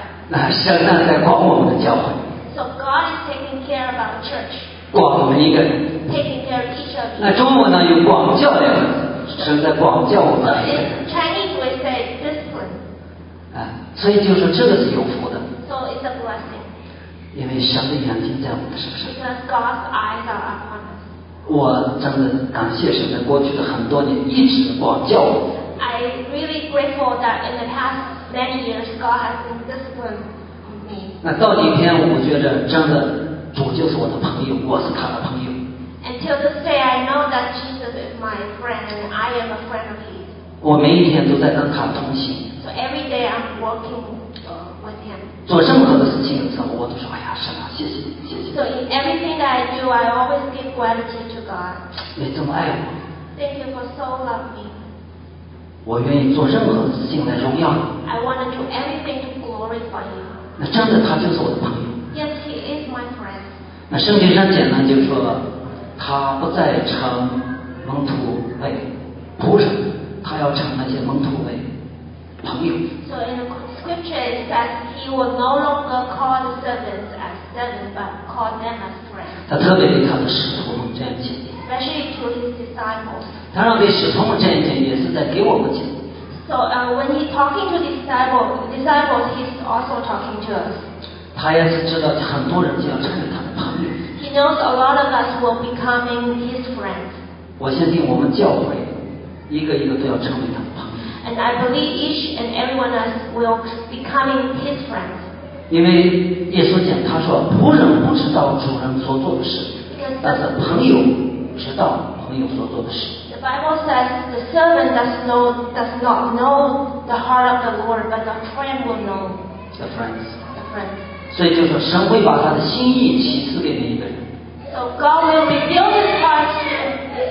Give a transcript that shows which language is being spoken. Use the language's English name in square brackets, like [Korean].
[Chinese] 那神呢，在管我们的教会。 [English] So God is taking care of our church. [Chinese] 管我们一个人。 [English] Taking care of each of you. [Chinese] 那中文呢，有管教两个字，神在管教我们。 [English] So in Chinese we say discipline. [Chinese] 所以就说这个是有福的。 [English] So it's a blessing. [Chinese] 因为神的眼睛在我们身上。 [English] Because God's eyes are upon us. [Chinese] 我真的感谢神，在过去的很多年一直管教我。 [English] I really grateful that in the past many years, God has been disciplining me. [Chinese] 那到今天，我觉得真的主就是我的朋友，我是他的朋友。 [English] Until this day, I know that Jesus is my friend, and I am a friend of His. [Chinese] 我每一天都在跟他同行。 [English] So every day I'm walking with Him. [Chinese] 做任何的事情的时候，我都说：“哎呀，神啊，谢谢你，谢谢。” [English] So in everything that I do, I always give gratitude to God. [Chinese] 你这么爱我。 [English] Thank you for so loving me. [Chinese] 我愿意做任何的事情来荣耀。 [English] I want to do everything to glorify you. [Chinese] 那真的，他就是我的朋友。 [English] Yes, He is my friend. [Chinese] 那圣经上简单就说了。他不再称门徒为仆人，他要称那些门徒为朋友。 [English] So in the scripture it says he will no longer call the servants as servants, but call them as friends. [Chinese] 他特别对他的使徒们这样讲。 [English] Especially to his disciples. [Chinese] 他让对使徒们这样讲，也是在给我们讲。 [English] So when he talking to disciples, he's also talking to us. [Chinese] 他也是知道很多人就要成为他的朋友。 [English] He knows a lot of us will becoming his friends. [Chinese] 我相信我们教会一个一个都要成为他的朋友。 [English] And I believe each and every one of us will becoming his friends. [Chinese] 因为耶稣讲，他说仆人不知道主人所做的事，但是朋友知道朋友所做的事。 [English] The Bible says the servant does not know the heart of the Lord, but the friend will know. The friends. The friends. [Chinese] 所以就是神会把他的心意启示给每一个人。 [English] So God will reveal His heart to us.